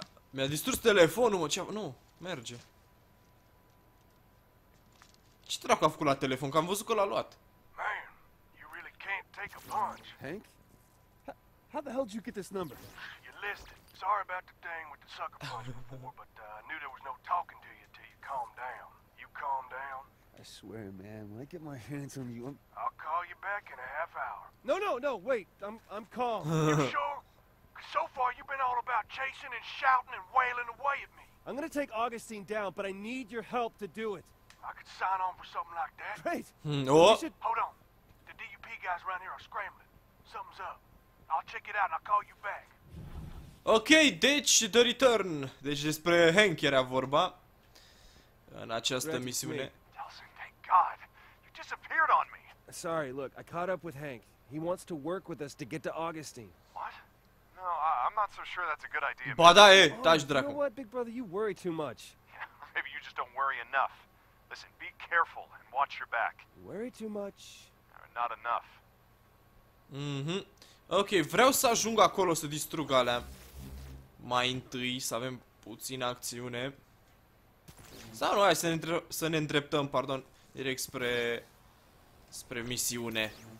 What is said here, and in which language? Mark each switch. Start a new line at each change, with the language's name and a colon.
Romanian: Mi-a distrus telefonul, mă, ce-a... Nu, merge. Ce dracu a făcut la telefon? Că am văzut că l-a luat.
English: Man, you really can't take a punch. Hank? How the hell did you get this number? You listed. Sorry about the thing with the sucker punch before, but I knew there was no talking to you till you calmed down. You calmed down? I swear, man, when I get my hands on you, I'm... I'll call you back in a half hour. No, no, no, wait. I'm calm. You sure? So far, you've been all about chasing and shouting and wailing away at me. I'm gonna take Augustine down, but I need your help to do it. I could sign on for something like that. Great. No. You should... Hold on. The DUP guys around here are scrambling. Something's up. I'll check it out and I'll call you back.
Romanian: Ok, deci The Return. Deci despre Hank era vorba în această misiune.
English: Nelson, thank God. You disappeared on me. Sorry, look, I caught up with Hank. He wants to work with us to get to Augustine. What? No, I'm not so sure that's a good idea.
Romanian: Ba da, e, taci dracu.
English: You know what, big brother, you worry too much. Yeah, maybe you just don't worry enough. Listen, be careful and watch your back. Worry too much. Not enough. Mhm.
Romanian: Ok, vreau să ajung acolo să distrug alea. Mai întâi să avem puțină acțiune. Sau nu, hai să ne îndreptăm, pardon, direct spre misiune.